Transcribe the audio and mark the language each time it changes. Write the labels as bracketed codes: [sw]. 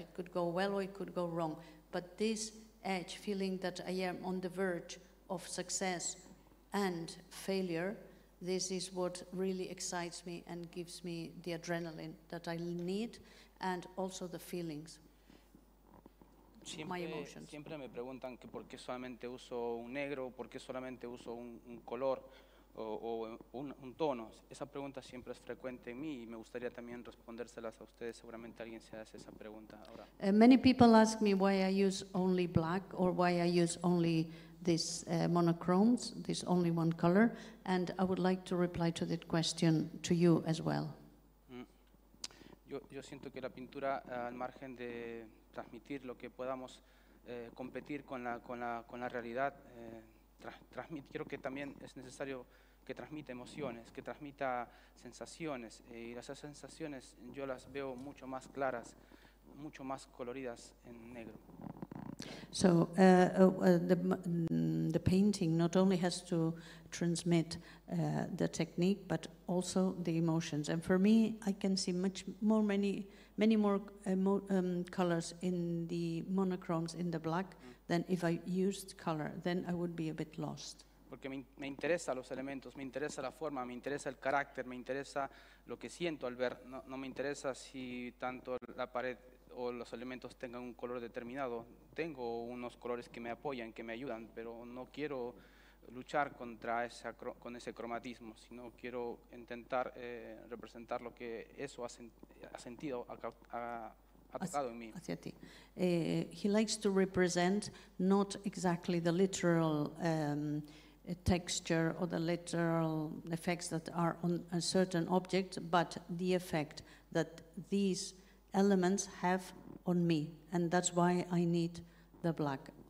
[en] It could go well or it could go wrong. But this edge, feeling that I am on the verge of success and failure, this is what really excites me and gives me the adrenaline that I need, and also the feelings. [es] Siempre me preguntan que por qué solamente uso un negro, por qué solamente uso un color o un tono. Esa pregunta siempre es frecuente en mí y me gustaría también respondérselas a ustedes. Seguramente alguien se hace esa pregunta ahora. [en] Many people ask me why I use only black or why I use only this monochromes, this only one color, and I would like to reply to that question to you as well. [es] Yo siento que la pintura al margen de transmitir lo que podamos competir con la realidad transmite, creo que también es necesario que transmita emociones, que transmita sensaciones y esas sensaciones yo las veo mucho más claras, mucho más coloridas en negro. [en] So the painting not only has to transmit the technique but also the emotions, and for me I can see much more many more colors in the monochromes, in the black, than if I used color, then I would be a bit lost. [es] Porque me interesa los elementos, me interesa la forma, me interesa el carácter, me interesa lo que siento al ver. No, no me interesa si tanto la pared o los elementos tengan un color determinado. Tengo unos colores que me apoyan, que me ayudan, pero no quiero luchar contra esa, con ese cromatismo, sino quiero intentar representar lo que eso ha sentido, ha tocado en mí. Hacia ti. [en] He likes to represent not exactly the literal texture or the literal effects that are on a certain object, but the effect that these elements have on me, and that's why I need the black.